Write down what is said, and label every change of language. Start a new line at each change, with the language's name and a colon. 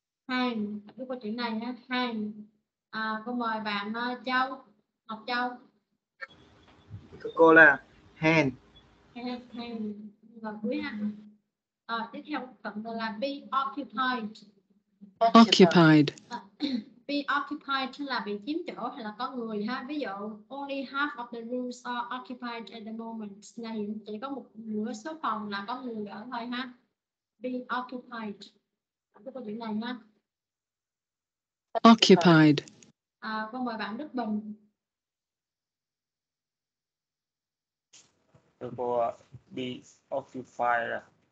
Vietnamese: Hang, cái câu chuyện này ha, hang. À, cô mời bạn Châu, Ngọc Châu. Cô là hand. Hand, và cuối ha. Rồi tiếp theo cụm từ là be occupied.
English: Occupied.
Vietnamese: Be occupied tức là bị chiếm chỗ hay là có người ha.
English: Ví dụ, only half of the rooms are occupied at the moment.
Vietnamese: Là hiện chỉ có một nửa số phòng là có người ở thôi ha. Be occupied. Cái câu chuyện này ha.
English: Occupied.
Vietnamese: À, con mời bạn Đức Bình. Cô be occupied.